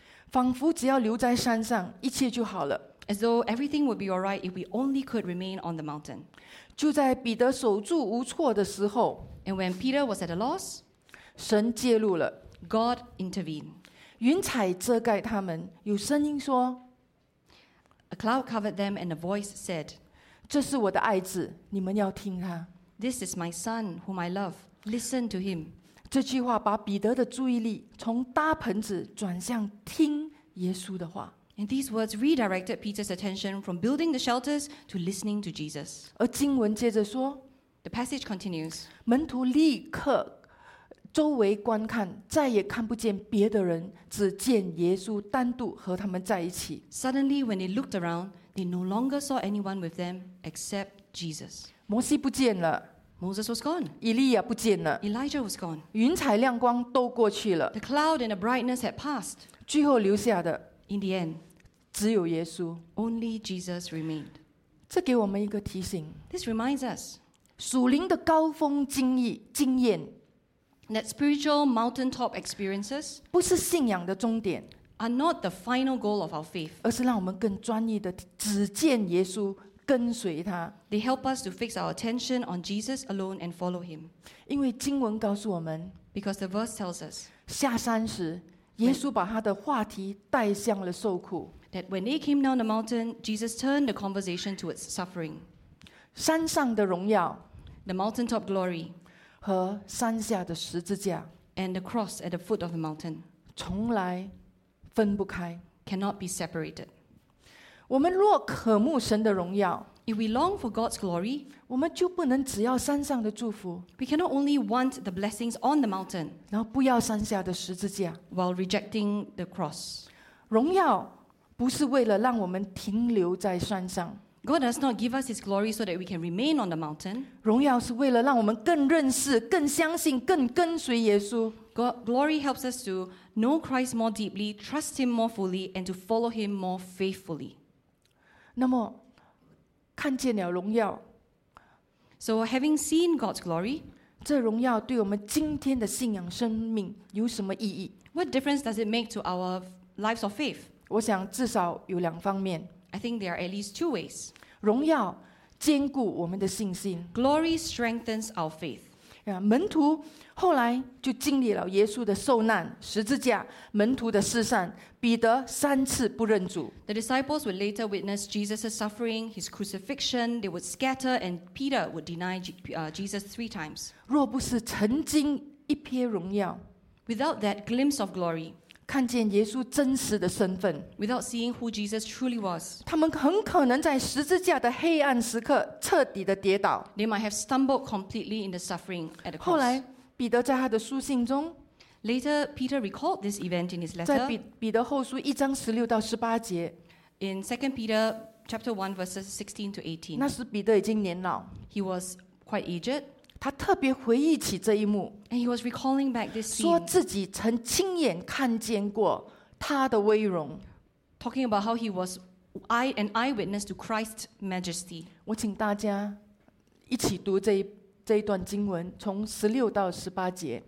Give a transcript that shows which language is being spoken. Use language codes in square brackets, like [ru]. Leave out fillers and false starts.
[zh] 仿佛只要留在山上，一切就好了 [en] as though everything would be all right if we only could remain on the mountain. [zh] 就在彼得守住无措的时候 [en] and when Peter was at a loss, [zh] 神介入了 [en] God intervened. [zh] 云彩遮盖他们，有声音说 [en] ：“A cloud covered them, and a voice said, [zh] '这是我的爱子，你们要听他。 [en] 'This is my son, whom I love. Listen to him.” [zh] 这句话把彼得的注意力从搭棚子转向听耶稣的话。 [en] And these words redirected Peter's attention from building the shelters to listening to Jesus. [zh] 而经文接着说 [en] ：“The passage continues. [zh] 门徒立刻。” 周围观看，再也看不见别的人，只见耶稣单独和他们在一起。 [en] Suddenly, when they looked around, they no longer saw anyone with them except Jesus. [zh] 摩西不见了 [en] ，Moses was gone. [zh] 以利亚不见了 [en] ，Elijah was gone. [zh] 云彩亮光都过去了 [en] ，The cloud and the brightness had passed. [zh] 最后留下的 [en] ，In the end, [zh] 只有耶稣 [en] ，Only Jesus remained. [zh] 这给我们一个提醒 [en] ，This reminds us, [zh] 属灵的高峰经验。 [en] That spiritual mountaintop experiences [zh] 不是信仰的终点 [en] are not the final goal of our faith. [zh] 而是让我们更专一的只见耶稣跟随他 [en] They help us to fix our attention on Jesus alone and follow him. [zh] 因为经文告诉我们 [en] Because the verse tells us [zh] 下山时耶稣把他的话题带向了受苦 [en] That when they came down the mountain, Jesus turned the conversation towards suffering. [zh] 山上的荣耀 [en] The mountaintop glory. [zh] 和山下的十字架 [en] and the cross at the foot of the mountain [zh] 从来分不开 [en] cannot be separated [zh] 我们若渴慕神的荣耀 [en] if we long for God's glory [zh] 我们就不能只要山上的祝福 [en] we cannot only want the blessings on the mountain [zh] 然后不要山下的十字架 [en] while rejecting the cross [zh] 荣耀不是为了让我们停留在山上 [en] God does not give us his glory so that we can remain on the mountain. [zh] 荣耀是为了让我们更认识、更相信、更跟随耶稣。 [en] God, glory helps us to know Christ more deeply, trust him more fully, and to follow him more faithfully. [zh] 那么，看见了荣耀。 [en] So having seen God's glory, [zh] 这荣耀对我们今天的信仰生命有什么意义？ [en] What difference does it make to our lives of faith? [zh] 我想至少有两方面。 [en] I think there are at least two ways. [zh] 荣耀坚固我们的信心。 [en] Glory strengthens our faith. [zh] 门徒后来就经历了耶稣的受难、十字架、门徒的失散。彼得三次不认主。 [en] The disciples would later witness Jesus' suffering, his crucifixion. They would scatter, and Peter would deny Jesus three times. [zh] 若不是曾经一瞥荣耀 [en] ，without that glimpse of glory， [zh] 看见耶稣真实的身份 [en] ，without seeing who Jesus truly was， [zh] 他们很可能在十字架的黑暗时刻彻底的跌倒。 [en] They might have stumbled completely in the suffering at the cross. [zh] 后来，彼得在他的书信中。 [en] Later, Peter recalled this event in his letter. [zh] 在彼得后书一章十六到十八节 [en] ，in Second Peter chapter one verses 16 to 18. [zh] 那时彼得已经年老 [en] ，he was quite aged. [zh] 他特别回忆起这一幕 [en] ，and he was recalling back this scene. [zh] 说自己曾亲眼看见过他的威荣 [en] ，talking about how he was an eyewitness to Christ's majesty. [zh] 我请大家一起读这一段经文从十六到十八节。